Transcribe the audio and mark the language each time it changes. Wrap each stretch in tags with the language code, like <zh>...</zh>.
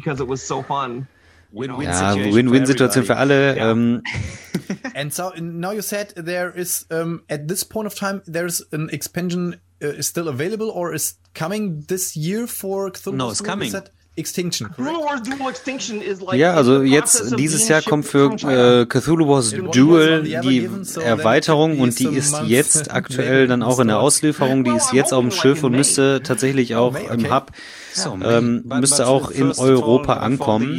<de>Win-win-Situation für alle.</de> <en>Yeah. And so now you said there is at this point of time there is an expansion still available or is coming this year for Cthulhu? No, it's coming. Extinction. Cthulhu Wars Duel Extinction is like.</en> <de>Ja, also jetzt dieses Jahr kommt für Cthulhu Wars Duel die Erweiterung und die ist jetzt aktuell dann auch in der Auslieferung. Die ist jetzt auf dem Schiff und müsste tatsächlich auch im Hub. So, müsste auch in Europa ankommen.</de>